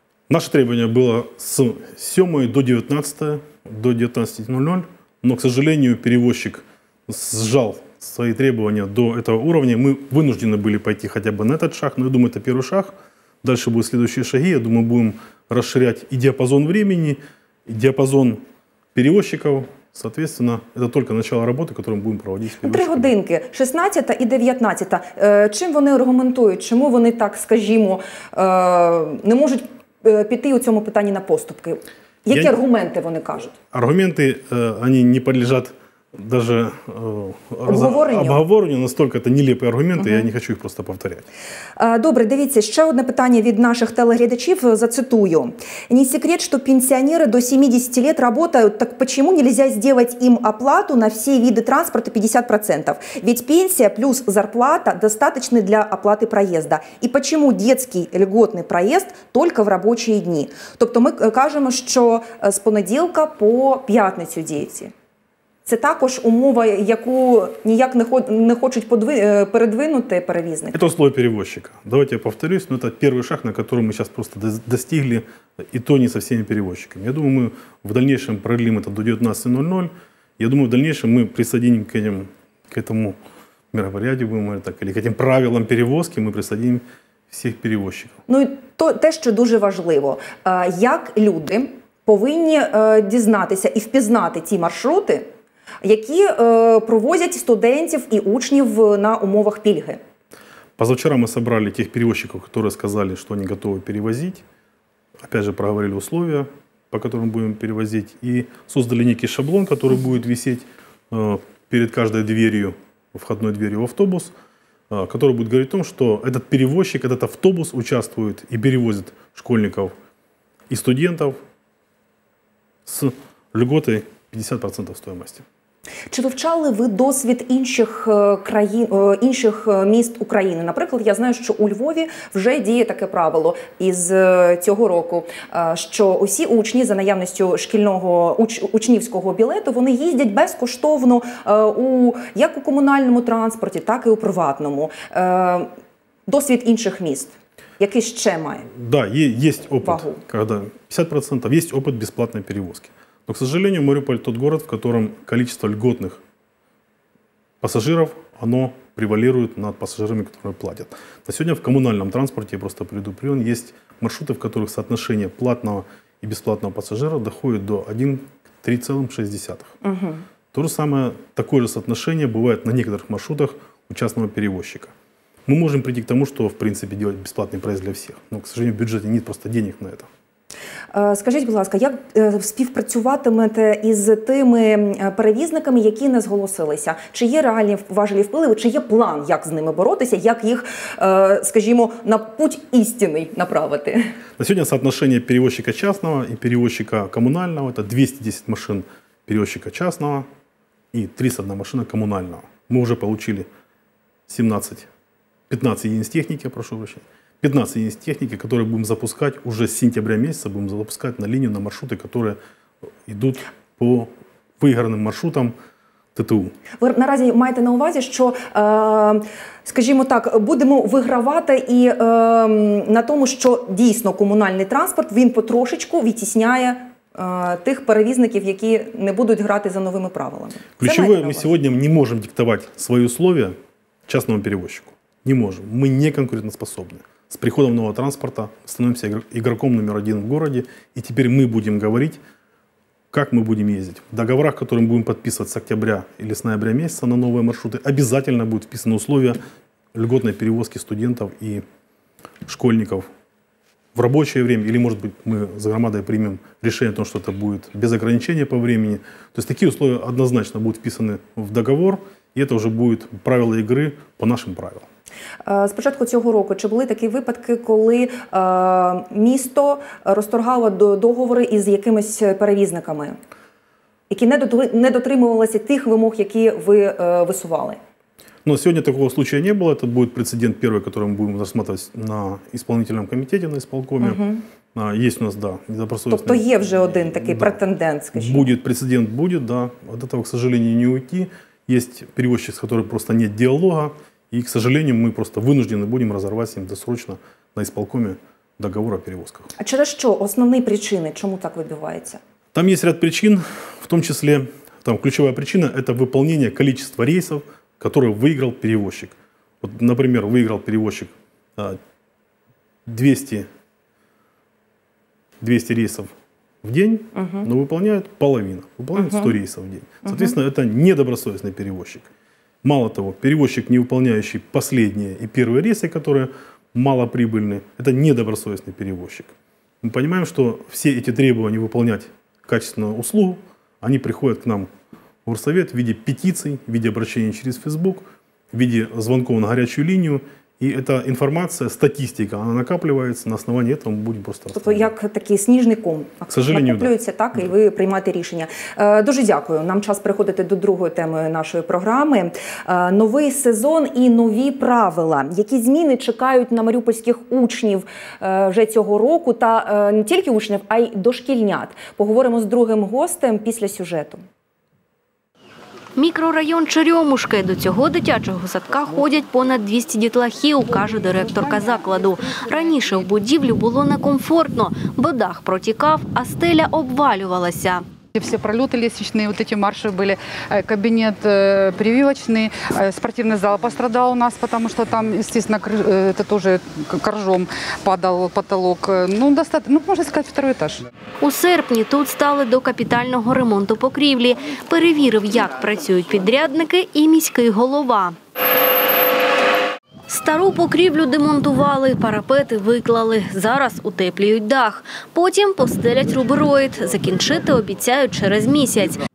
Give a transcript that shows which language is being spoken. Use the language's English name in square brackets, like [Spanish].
[Ukrainian] Наше требування було з 7 до 19, до 19.00. [Russian] Но, к сожалению, перевозчик [Ukrainian] зжав свої требування до цього уровня. Ми вынуждены були пойти хоча б на цей шаг, але я думаю, це перший шаг. Далі будуть наступні шаги. Я думаю, будемо розширяти і діапазон часу, і діапазон перевозчиків. [Russian] Соответственно, это только начало работы, которую мы будем проводить. Три годинки, 16 и 19. Чем они аргументуют? Чему они так, скажем, не могут пойти в этом вопросе на поступки? Какие аргументы они кажут? Аргументы, они не подлежат даже [Ukrainian] обговоренню, [Russian] настолько это нелепые аргументы, угу. Я не хочу их просто повторять. [Ukrainian] Добре, дивіться, ще одне питання від наших телеглядачів, зацитую. [Russian] Не секрет, что пенсионеры до 70 лет работают, так почему нельзя сделать им оплату на все виды транспорта 50%? Ведь пенсия плюс зарплата достаточны для оплаты проезда. И почему детский льготный проезд только в рабочие дни? [Ukrainian] Тобто ми кажемо, що з понеділка по п'ятницю діється. Це також умова, яку ніяк не хочуть передвинути перевізники. [Russian] Это условие перевозчика. Давайте я повторюсь, но это первый шаг, на котором мы сейчас просто достигли, и то не со всеми перевозчиками. Я думаю, мы в дальнейшем продлим это до 19.00. Я думаю, в дальнейшем мы присоединим к этому мероприятию, будем говорить так, или к этим правилам перевозки, мы присоединим всех перевозчиков. Ну и то, что очень важно, [Ukrainian] как люди повинні дізнатися і впізнати ті маршрути, які провозять студентів і учнів на умовах пільги. Позавчора ми зібрали тих перевозчиків, які сказали, що вони готові перевозити. [Russian] Опять же, проговорили условия, по которым будем перевозить, и создали некий шаблон, который будет висеть перед каждой дверью, входной дверью в автобус, который будет говорить о том, что этот перевозчик, этот автобус участвует и перевозит школьников и студентов с льготой 50% стоимости. [Ukrainian] Чи вивчали ви досвід інших країн, інших міст України? Наприклад, я знаю, що у Львові вже діє таке правило із цього року, що усі учні за наявністю шкільного учнівського білету, вони їздять безкоштовно як у комунальному транспорті, так і у приватному. Досвід інших міст, який ще має? Да, є опит, коли 50%, є опит безплатної перевозки. [Russian] Но, к сожалению, Мариуполь – тот город, в котором количество льготных пассажиров, оно превалирует над пассажирами, которые платят. На сегодня в коммунальном транспорте, я просто предупрежден, есть маршруты, в которых соотношение платного и бесплатного пассажира доходит до 1:3,6. Угу. То же самое, такое же соотношение бывает на некоторых маршрутах у частного перевозчика. Мы можем прийти к тому, что, в принципе, делать бесплатный проезд для всех. Но, к сожалению, в бюджете нет просто денег на это. [Ukrainian] Скажіть, будь ласка, як співпрацюватимете із тими перевізниками, які не зголосилися? Чи є реальні важелі впливи, чи є план, як з ними боротися, як їх, скажімо, на путь істинний направити? На сьогодні соотношення перевозчика частного і перевозчика комунального – це 210 машин перевозчика частного і 301 машина комунального. Ми вже отримали 15 єдиниць техніки, прошу вибачення. [Russian] 15 единиц техники, которые будем запускать уже с сентября месяца, будем запускать на линию, на маршруты, которые идут по выигранным маршрутам ТТУ. Вы наразі маєте на увазі, что, скажем так, будем выигрывать и на том, что действительно коммунальный транспорт, он потрошечку вытесняет [Ukrainian] тих перевізників, які не будуть грати за новими правилами. [Russian] Ключевое, мы сегодня не можем диктовать свои условия частному перевозчику. Не можем. Мы не конкурентоспособны. С приходом нового транспорта становимся игроком номер один в городе. И теперь мы будем говорить, как мы будем ездить. В договорах, которые мы будем подписывать с октября или с ноября месяца на новые маршруты, обязательно будут вписаны условия льготной перевозки студентов и школьников в рабочее время. Или, может быть, мы с громадой примем решение о том, что это будет без ограничения по времени. То есть такие условия однозначно будут вписаны в договор. И это уже будет правило игры по нашим правилам. [Ukrainian] З початку цього року, чи були такі випадки, коли місто розторгало договори із якимись перевізниками, які не дотримувалися тих вимог, які ви висували? Ну, сьогодні такого случаю не було. Це буде прецедент перший, який ми будемо розглядати на виконавчому комітеті, на виконкомі. Угу. Є у нас, да. Тобто є вже один такий, да, претендент, скажімо. Буде прецедент, буде, да. От цього, [Russian] к сожалению, не уйти. [Ukrainian] Є перевозчик, з яким просто нет діалога. [Russian] И, к сожалению, мы просто вынуждены будем разорвать с ним досрочно на исполкоме договор о перевозках. А через что? Основные причины, чему так выбивается? Там есть ряд причин, в том числе, там ключевая причина – это выполнение количества рейсов, которые выиграл перевозчик. Вот, например, выиграл перевозчик 200 рейсов в день, угу, но выполняет половина, выполняет, угу, 100 рейсов в день. Соответственно, угу, это недобросовестный перевозчик. Мало того, перевозчик, не выполняющий последние и первые рейсы, которые малоприбыльны, это недобросовестный перевозчик. Мы понимаем, что все эти требования выполнять качественную услугу, они приходят к нам в Горсовет в виде петиций, в виде обращений через Facebook, в виде звонков на горячую линию. И эта информация, статистика, она накапливается, на основании этого мы будем просто... [Ukrainian] Тобто, как такий сніжний ком. [Russian] К сожалению, [Ukrainian] накоплюється, да. Так, и вы приймаєте рішення. Дуже дякую. Нам час переходити до другої теми нашої програми. Новий сезон і нові правила. Які зміни чекають на маріупольських учнів вже цього року? Та не тільки учнів, а й дошкільнят. Поговоримо з другим гостем після сюжету. Мікрорайон Черемушки. До цього дитячого садка ходять понад 200 дітлахів, каже директорка закладу. Раніше в будівлю було некомфортно, бо дах протікав, а стеля обвалювалася. [Russian] Все пролеты лестничные, вот эти марши были, кабинет прививочный, спортивный зал пострадал у нас, потому что там, естественно, это тоже коржом падал потолок. Ну, достаточно, ну, можно сказать, второй этаж. [Ukrainian] У серпні тут стали до капітального ремонту покрівлі. Перевірив, як працюють підрядники і міський голова. Стару покрівлю демонтували, парапети виклали, зараз утеплюють дах. Потім постелять рубероїд. Закінчити обіцяють через місяць.